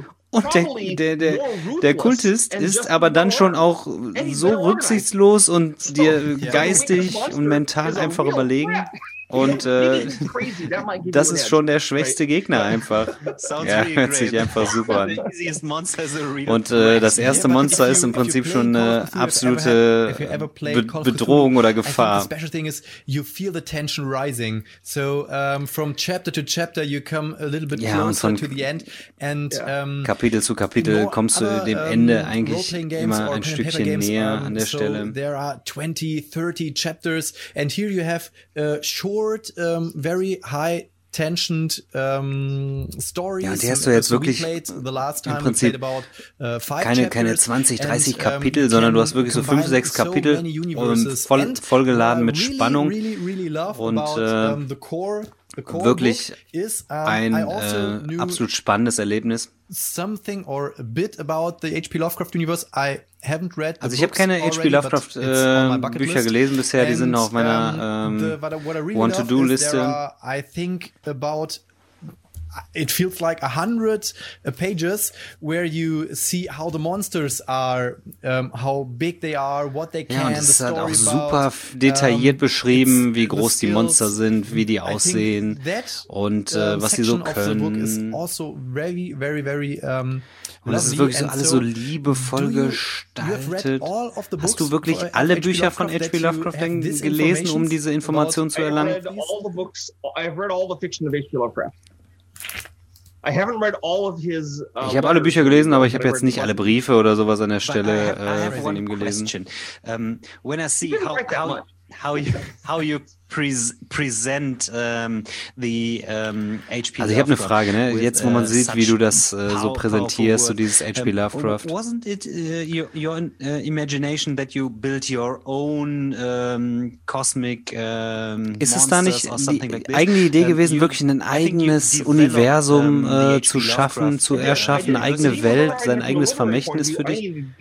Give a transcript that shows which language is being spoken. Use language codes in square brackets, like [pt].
[de] Und der Kultist ist aber dann schon auch so rücksichtslos und dir geistig und mental einfach überlegen. Und das ist schon der schwächste Gegner einfach. Ja, hört sich einfach super an. Und das erste Monster ist im Prinzip schon eine absolute Bedrohung oder Gefahr. [en] The special thing is you feel the tension rising. So from chapter to chapter you come a little bit closer to the end and [de] Kapitel zu Kapitel kommst du dem Ende eigentlich immer ein Stückchen näher an der Stelle. [en] So there are 20, 30 chapters and here you have short, very high tensioned stories. [de] Ja, und hier hast du jetzt wirklich im Prinzip keine 20, 30 Kapitel, sondern du hast wirklich so 5, 6 Kapitel vollgeladen mit Spannung und wirklich ein absolut spannendes Erlebnis. [en] Something or a bit about the H.P. Lovecraft universe. I haven't read the [de] also ich habe keine H.P. Lovecraft Bücher gelesen bisher, die sind noch auf meiner Want-to-Do-Liste. [en] I think about it feels like 100 pages where you see how the monsters are, how big they are, what they can, [de] ja, und [en] the story [de] about. Ja, auch super detailliert beschrieben, wie groß die Monster sind, wie die aussehen und was sie so können. [en] Also very, very, very, [de] und das ist wirklich so alles so liebevoll gestaltet. Hast du wirklich alle Bücher von H.P. Lovecraft gelesen, um diese Information zu erlangen? [en] I've read all the fiction of H.P. Lovecraft. I haven't read all of his, [de] ich habe alle Bücher gelesen, aber ich habe jetzt nicht alle Briefe oder sowas an der Stelle von ihm gelesen. [en] When I see how you present H.P. [de] Also ich habe eine Frage, ne? Jetzt, wo man sieht, wie du das so präsentierst, so dieses H.P. Lovecraft. [en] Wasn't it your imagination that you built your own cosmic [de] ist es da nicht die eigene Idee gewesen, wirklich ein eigenes Universum zu schaffen, zu erschaffen, eine eigene Welt, sein eigenes Vermächtnis für dich?